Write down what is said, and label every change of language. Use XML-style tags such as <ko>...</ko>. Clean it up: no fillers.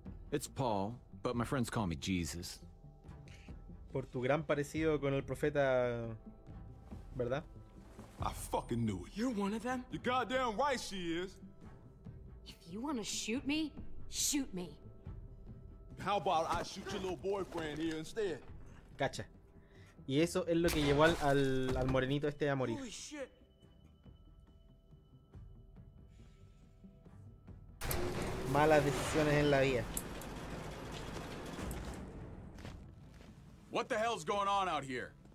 <en>It's Paul, but my friends call me Jesus.</en> <es>Por tu gran parecido con el profeta, ¿verdad?</es> <en>I fucking knew it. You're one of them? You're goddamn right she is. If you want to shoot me, shoot me. How about I shoot your little boyfriend here instead?</en> <es>Cacha. Y eso es lo que llevó al morenito este a morir. Malas decisiones en la vida.</es> <en>What the hell's going on out here?</en>